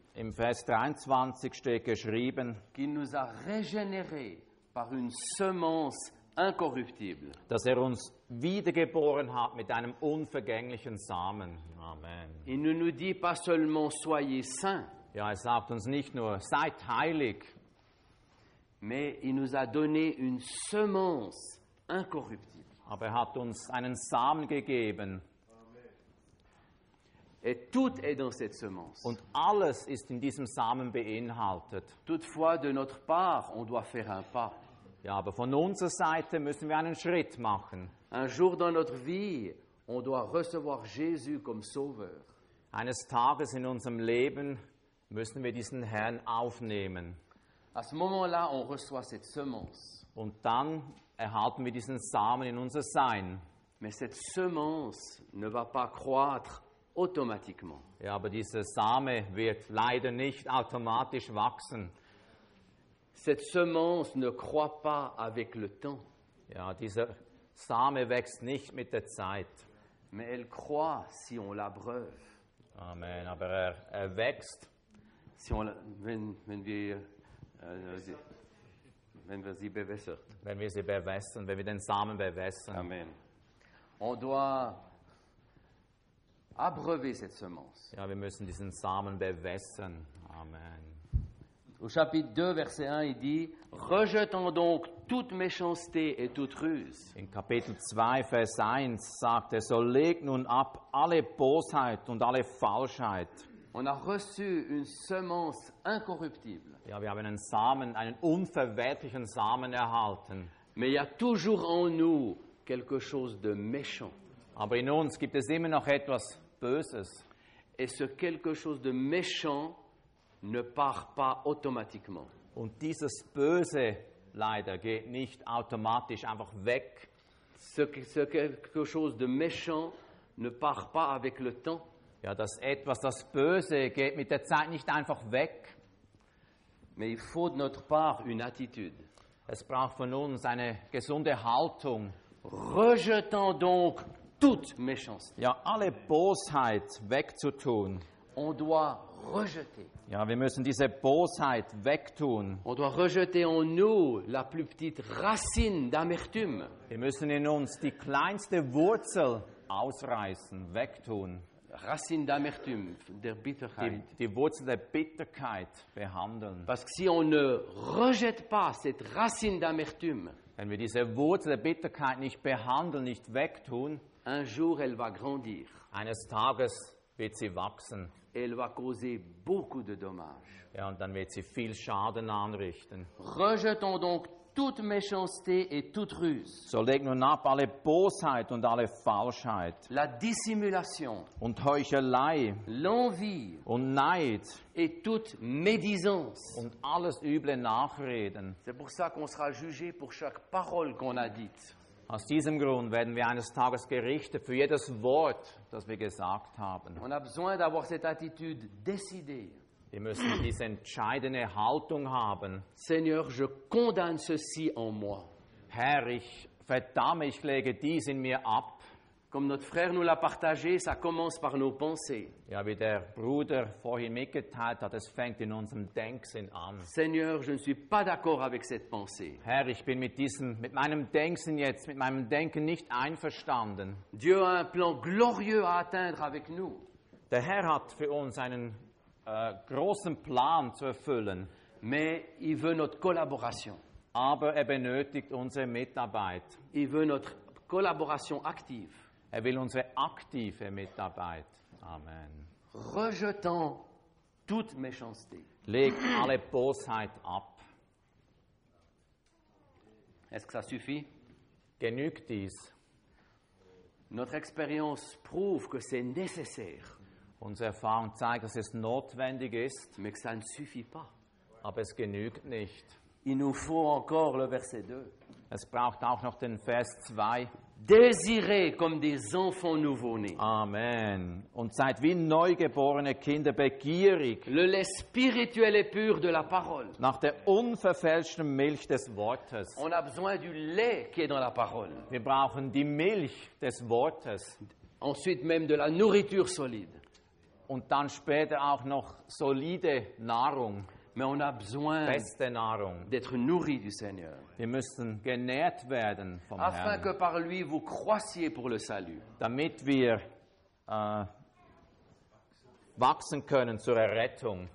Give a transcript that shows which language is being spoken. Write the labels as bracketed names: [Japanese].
[German] Im Vers 23 steht geschrieben, [French] qu'il nous a régénéré par une semence incorruptible. [German] Dass er uns wiedergeboren hat mit einem unvergänglichen Samen. Amen. [French] Il ne nous dit pas seulement soyez saints. [German] Ja, er sagt uns nicht nur seid heilig. [French] Mais il nous a donné une semence incorruptible. [German] Aber er hat uns einen Samen gegeben. [French] Et tout est dans cette semence. [German] Und alles ist in diesem Samen beinhaltet. [French] Toutefois, de notre part, on doit faire un pas. [German] Ja, aber von unserer Seite müssen wir einen Schritt machen. [French] Un jour dans notre vie, on doit recevoir Jésus comme sauveur. [German] Eines Tages in unserem Leben müssen wir diesen Herrn aufnehmen. [French] À ce moment-là, on reçoit cette semence. [German] Und dann erhalten wir diesen Samen in unser Sein. [French] Mais cette semence ne va pas croître automatiquement. [German] Ja, aber dieser Same wird leider nicht automatisch wachsen. [French] Cette semence ne croît pas avec le temps. [German] Ja, dieser Same wächst nicht mit der Zeit. [French] Mais elle croît si on l'abreuve. [German] Amen. Aber er wächst, [French] si on, [German] wenn wir den Samen bewässern. Amen. [French] On doit abreuver cette semence. [German] Ja, wir müssen diesen Samen bewässern. Amen. [French] Au chapitre 2, verset 1, il dit, rejetant donc toute méchanceté et toute ruse. [German] In Kapitel 2, Vers 1 sagt er, so legt nun ab alle Bosheit und alle Falschheit. [French] On a reçu une semence incorruptible. [German] Ja, wir haben einen Samen, einen unverwertlichen Samen erhalten. [French] Mais il y a toujours en nous quelque chose de méchant. [German] Aber in uns gibt es immer noch etwas Böses. [French] Et ce quelque chose de méchant ne part pas automatiquement. [German] Und dieses Böse leider geht nicht automatisch einfach weg. [French] Ce quelque chose de méchant ne part pas avec le temps. [German] Ja, das etwas, das Böse, geht mit der Zeit nicht einfach weg. [French] Mais il faut de notre part une attitude. [German] Es braucht von uns eine gesunde Haltung. [French] Rejetant donc toute méchanceté. [German] Ja, alle Bosheit wegzutun. [French] On doit rejeter. [German] Ja, wir müssen diese Bosheit wegtun. [French] On doit rejeter en nous la plus petite racine d'amertume. [German] Wir müssen in uns die kleinste Wurzel ausreißen, wegtun. [French] Racine d'amertume, [German] der Bitterkeit. Die Wurzel der Bitterkeit behandeln. [French] Parce que si on ne rejette pas cette racine d'amertume, [German] wenn wir diese Wurzel der Bitterkeit nicht behandeln, nicht wegtun, [French] un jour elle va grandir. [German] Eines Tages wird sie wachsen. [French] Elle va causer beaucoup de dommages. [German] Ja, und dann wird sie viel Schaden anrichten. [French] Rejetons donc toute méchanceté et toute ruse. [German] So legt nun ab alle Bosheit und alle Falschheit. [French] La dissimulation. [German] Und Heuchelei. [French] L'envie. [German] Und Neid. [French] Et toute médisance. [German] Und alles üble Nachreden. [French] C'est pour ça qu'on sera jugé pour chaque parole qu'on a dite. [German] Aus diesem Grund werden wir eines Tages gerichtet für jedes Wort, das wir gesagt haben. [French] On a besoin d'avoir cette attitude décidée. [German] Wir müssen diese entscheidende Haltung haben. [French] Seigneur, je condamne ceci en moi. [German] Herr, ich verdamme, ich lege dies in mir ab. [French] Comme notre frère nous l'a partagé, ça commence par nos pensées. [German] Ja, wie der Bruder vorhin mitgeteilt hat, es fängt in unserem Denksinn an. [French] Seigneur, je ne suis pas d'accord avec cette pensée. [German] Herr, ich bin mit meinem Denken nicht einverstanden. [French] Dieu a un plan glorieux à atteindre avec nous. [German] Der Herr hat für uns einen großen Plan zu erfüllen. [French] Mais il veut notre collaboration. [German] Aber er benötigt unsere Mitarbeit. [French] Il veut notre collaboration active. [German] Er will unsere aktive Mitarbeit. Amen. [French] Rejetant toute méchanceté. [German] Leg alle Bosheit ab. [French] Est-ce que ça suffit? [German] Genügt dies? [French] Notre expérience prouve que c'est nécessaire. [German] Unsere Erfahrung zeigt, dass es notwendig ist. [French] Mais que ça ne suffit pas. [German] Aber es genügt nicht. [French] Il nous faut encore le verset 2. [German] Es braucht auch noch den Vers 2. [French] Désirez comme des enfants nouveau-nés. [German] Amen. Und seid wie neugeborene Kinder begierig. [French] Le lait spirituel et pur de la parole. [German] Nach der unverfälschten Milch des Wortes. [French] On a besoin du lait qui est dans la parole. [German] Wir brauchen die Milch des Wortes. [French] Ensuite même de la nourriture solide. [German] Und dann später auch noch solide Nahrung. [French] Mais on a besoin [German] beste Nahrung. [French] D'être nourri du Seigneur. [German] Wir müssen genährt werden vom [French] Afin [German] Herrn. [French] Afin que par lui vous croissiez pour le salut. [German] Damit wir wachsen können zur Errettung.